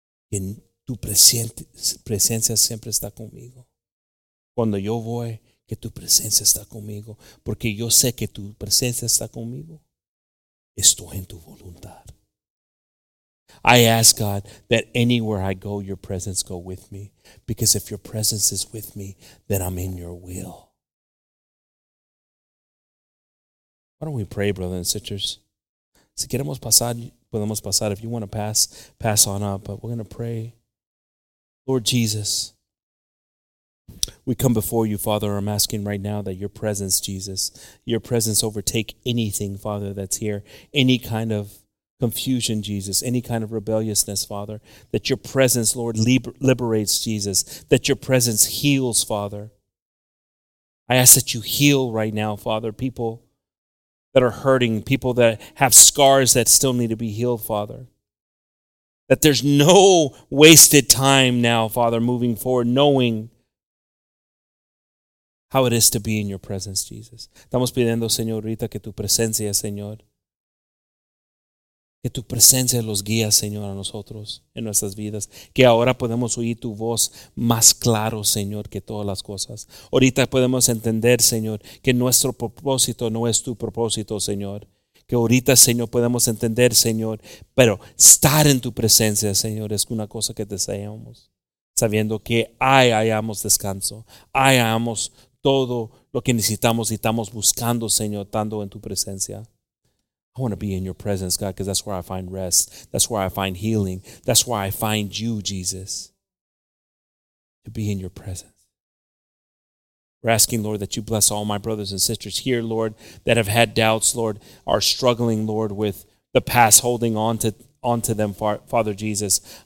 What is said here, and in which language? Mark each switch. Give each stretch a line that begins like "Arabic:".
Spanish: Que tu presencia siempre está conmigo. Cuando yo voy, que tu presencia está conmigo, porque yo sé que tu presencia está conmigo. Estoy en tu voluntad.
English: I ask God that anywhere I go, your presence go with me. Because if your presence is with me, then I'm in your will. Why don't we pray, brothers and sisters?
Spanish: Si queremos pasar, podemos pasar.
English: If you want to pass, pass on up. But we're going to pray. Lord Jesus, we come before you, Father. I'm asking right now that your presence, Jesus, your presence overtake anything, Father, that's here. Any kind of confusion, Jesus, any kind of rebelliousness, Father. That your presence, Lord, liberates, Jesus. That your presence heals, Father. I ask that you heal right now, Father, people that are hurting, people that have scars that still need to be healed, Father. That there's no wasted time now, Father, moving forward, knowing how it is to be in your presence, Jesus.
Spanish: Estamos pidiendo, Señorita, que tu presencia, Señor, que tu presencia los guía, Señor, a nosotros, en nuestras vidas, que ahora podemos oír tu voz más claro, Señor, que todas las cosas. Ahorita podemos entender, Señor, que nuestro propósito no es tu propósito, Señor. Que ahorita, Señor, podemos entender, Señor, pero estar en tu presencia, Señor, es una cosa que deseamos, sabiendo que ahí hayamos descanso, ahí hayamos todo lo que necesitamos y estamos buscando, Señor, tanto en tu presencia.
English: I want to be in your presence, God, because that's where I find rest. That's where I find healing. That's where I find you, Jesus, to be in your presence. We're asking, Lord, that you bless all my brothers and sisters here, Lord, that have had doubts, Lord, are struggling, Lord, with the past holding onto them, Father Jesus.